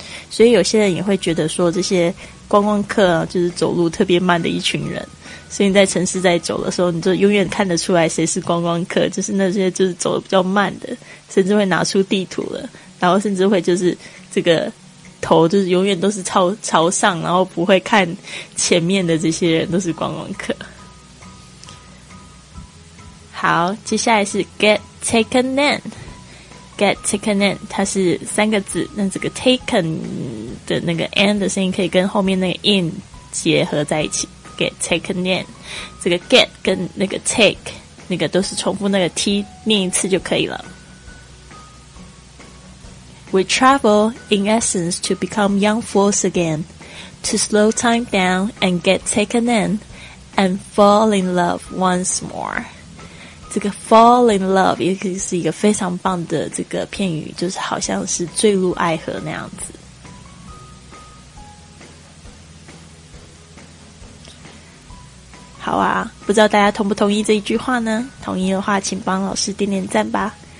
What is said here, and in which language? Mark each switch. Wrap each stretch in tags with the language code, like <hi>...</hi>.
<zh>所以有些人也会觉得说这些观光客、啊、就是走路特别慢的一群人，所以你在城市在走的时候你就永远看得出来谁是观光客，就是那些就是走得比较慢的，甚至会拿出地图了，然后甚至会就是这个头就是永远都是 朝上，然后不会看前面的，这些人都是观光客。好，接下来是</zh> <en>get taken in，</en> <zh>get taken in 它是三个字，那这个 taken 的那个 and 的声音可以跟后面那个 in 结合在一起，get taken in， 这个 get 跟那个 take 那个都是重复那个 t 念一次就可以了。</zh> <en>We travel in essence to become young fools again, to slow time down and get taken in and fall in love once more。</en> <zh>这个</zh> <en>fall in love</en> <zh>也可以是一个非常棒的这个片语，就是好像是坠入爱河那样子。好啊，不知道大家同不同意这一句话呢？同意的话请帮老师点点赞吧。</zh>